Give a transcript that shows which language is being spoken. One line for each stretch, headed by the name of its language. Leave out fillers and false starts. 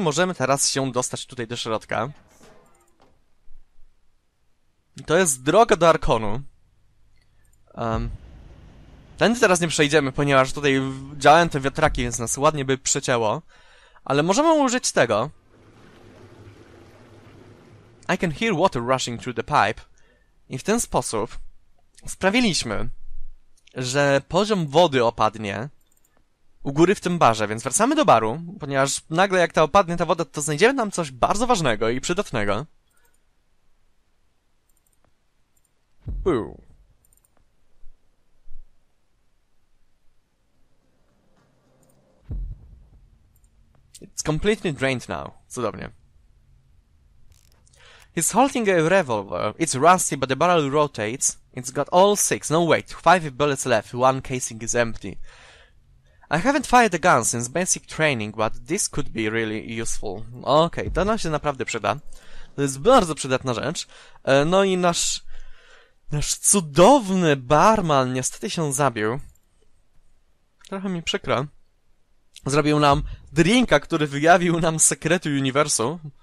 Polish: Możemy teraz się dostać tutaj do środka. To jest droga do Arkonu. Tędy teraz nie przejdziemy, ponieważ tutaj działają te wiatraki, więc nas ładnie by przecięło. Ale możemy użyć tego.
English: I can hear water rushing through the pipe.
Polish: I w ten sposób sprawiliśmy, że poziom wody opadnie u góry w tym barze, więc wracamy do baru, ponieważ nagle jak ta opadnie, ta woda, to znajdziemy tam coś bardzo ważnego i przydatnego. Uuu.
English: It's completely drained now.
Polish: Cudownie.
English: He's holding a revolver. It's rusty, but the barrel rotates. It's got all six. No, wait. Five bullets left. One casing is empty. I haven't fired a gun since basic training, but this could be really useful.
Polish: Okej, okay, to nam się naprawdę przyda. To jest bardzo przydatna rzecz. No i nasz cudowny barman niestety się zabił. Trochę mi przykro. Zrobił nam drinka, który wyjawił nam sekrety uniwersu.